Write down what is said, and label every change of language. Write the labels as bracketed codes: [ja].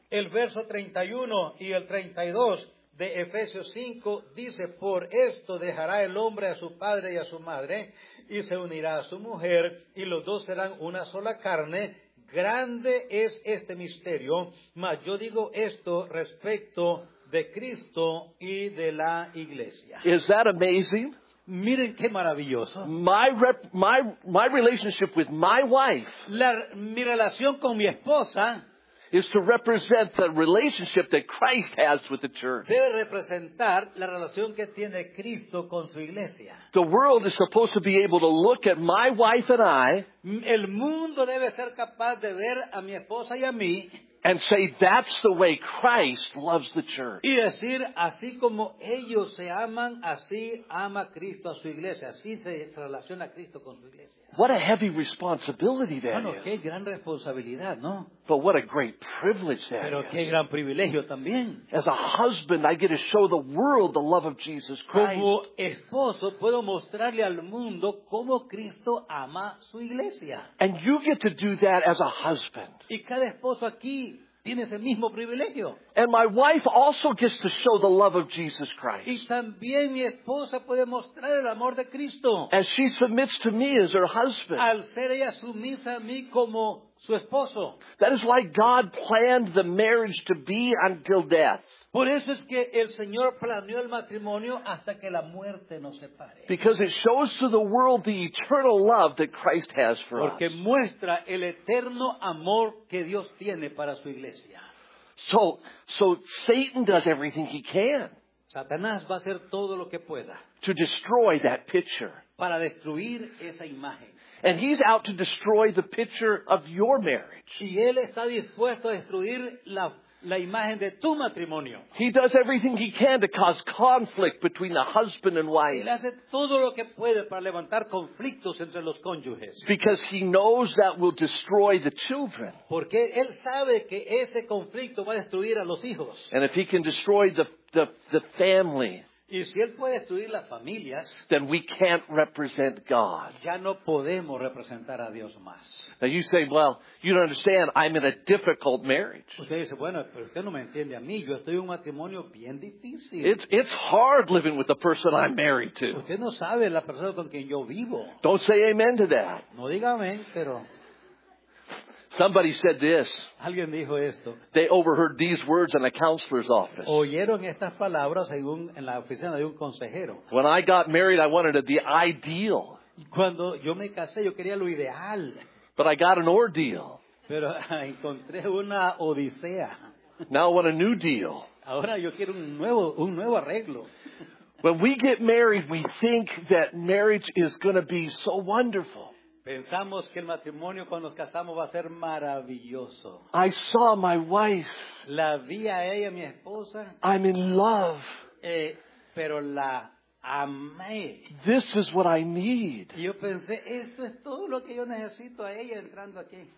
[es] El verso 31 y el 32 de Efesios 5 dice, por esto dejará el hombre a su padre y a su madre y se unirá a su mujer y los dos serán una sola carne. Grande es este misterio, mas yo digo esto respecto de Cristo y de la iglesia. [en] Is that amazing? [es] Miren qué maravilloso. [en] My relationship with my wife. [es] Mi relación con mi esposa [en] is to represent the relationship that Christ has with the church. [es] Debe representar la relación que tiene Cristo con su iglesia. [en] The world is supposed to be able to look at my wife and I. [es] El mundo debe ser capaz de ver a mi esposa y a mí. [en] And say that's the way Christ loves the church. [es] Y decir así como ellos se aman, así ama Cristo a su iglesia, así se relaciona Cristo con su iglesia. [en] What a heavy responsibility that [es] bueno, [en] is. [es] Bueno, qué gran responsabilidad, ¿no? [en] But what a great privilege that [es] pero [en] is. [es] Pero qué gran privilegio también. [en] As a husband, I get to show the world the love of Jesus Christ. [es] Como esposo, puedo mostrarle al mundo cómo Cristo ama su iglesia. [en] And you get to do that as a husband. [es] Y cada esposo aquí tiene ese mismo privilegio. [en] And my wife also gets to show the love of Jesus Christ. [es] Y también mi esposa puede mostrar el amor de Cristo. [en] As she submits to me as her husband. [es] Al ser ella sumisa a mí como su esposo. [en] That is why God planned the marriage to be until death. [es] Por eso es que el Señor planeó el matrimonio hasta que la muerte nos separe. [en] Because it shows to the world the eternal love that Christ has for [es] porque [en] us. [es] Porque muestra el eterno amor que Dios tiene para su iglesia. [en] So Satan does everything he can. [es] Satanás va a hacer todo lo que pueda. [en] To destroy that picture. [es] Para destruir esa imagen. [en] And he's out to destroy the picture of your marriage. [es] Y él está dispuesto a destruir la imagen de tu matrimonio. [en] He does everything he can to cause conflict between the husband and wife. [es] Él hace todo lo que puede para levantar conflictos entre los cónyuges. [en] Because he knows that will destroy the children. [es] Porque él sabe que ese conflicto va a destruir a los hijos. [en] And if he can destroy the family. [es] Y si él puede destruir las familias, [en] then we can't represent God. [es] Ya no podemos representar a Dios más. [en] Now you say, well, you don't understand. I'm in a difficult marriage. [es] Usted dice, bueno, pero usted no me entiende a mí. Yo estoy en un matrimonio bien difícil. [en] It's hard living with the person I'm married to. [es] Usted no sabe la persona con quien yo vivo. [en] Don't say amen to that. [es] No diga amén, pero. [en] Somebody said this. [es] Alguien dijo esto. [en] They overheard these words in a counselor's office. [es] Oyeron estas palabras en la oficina de un consejero. [en] When I got married, I wanted the ideal. [es] Cuando yo me casé, yo quería lo ideal. [en] But I got an ordeal. [es] Pero encontré una odisea. [en] Now I want a new deal. [es] Ahora yo quiero un nuevo arreglo. [en] When we get married, we think that marriage is going to be so wonderful. [es] Pensamos que el matrimonio cuando nos casamos va a ser maravilloso. [en] I saw my wife. [es] La vi a ella, mi esposa. [en] I'm in love. [es] Pero la amé. [en] This is what I need. [es] Yo pensé, esto es todo lo que yo necesito a ella entrando aquí.